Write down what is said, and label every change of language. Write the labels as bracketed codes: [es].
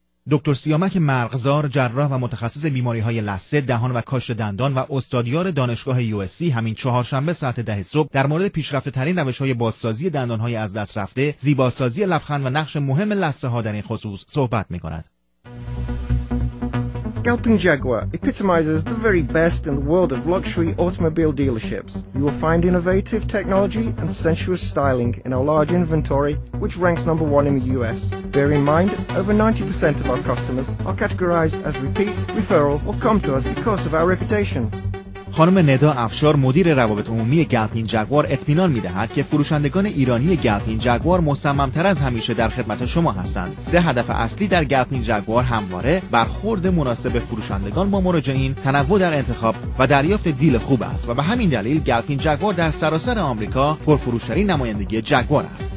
[fa] دکتر سیامک مرغزار، جراح و متخصص بیماری های لثه، دهان و کاش دندان و استادیار دانشگاه USC، همین چهارشنبه ساعت 10 صبح در مورد پیشرفته ترین روش های بازسازی دندان های از دست رفته، زیباسازی لبخند و نقش مهم لثه ها در این خصوص صحبت می کند. [en] Galpin Jaguar epitomizes the very best in the world of luxury automobile dealerships. You will find innovative technology and sensuous styling in our large inventory, which ranks number one in the US. Bear in mind, over 90% of our customers are categorized as repeat, referral, or come to us because of our reputation. [fa] خانم ندا افشار، مدیر روابط عمومی گلپین جگوار، اطمینان می‌دهد که فروشندگان ایرانی گلپین جگوار مصمم‌تر از همیشه در خدمت شما هستند. سه هدف اصلی در گلپین جگوار همواره برخورد مناسب فروشندگان با مراجعین، تنوع در انتخاب و دریافت دیل خوب است و به همین دلیل گلپین جگوار در سراسر آمریکا پرفروش‌ترین نمایندگی جگوار است.